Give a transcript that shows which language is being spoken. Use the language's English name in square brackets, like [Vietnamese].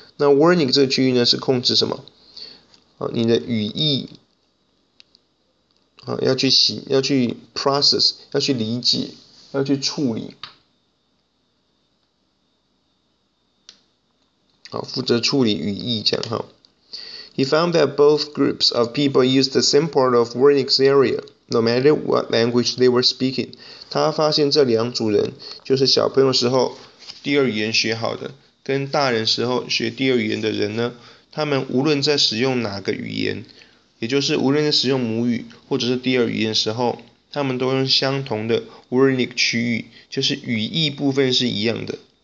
[Chinese] 那 Wernicke 这个区域呢，是控制什么？好，你的语义，好，要去 process， 要去理解，要去处理。好，负责处理语义这样哈。 [English] He found that both groups of people used the same part of Wernicke's area, no matter what language they were speaking. [Chinese] 他发现这两组人就是小朋友时候第二语言学好的，跟大人时候学第二语言的人呢，他们无论在使用哪个语言，也就是无论在使用母语或者是第二语言时候，他们都用相同的 Wernicke 区域，就是语义部分是一样的。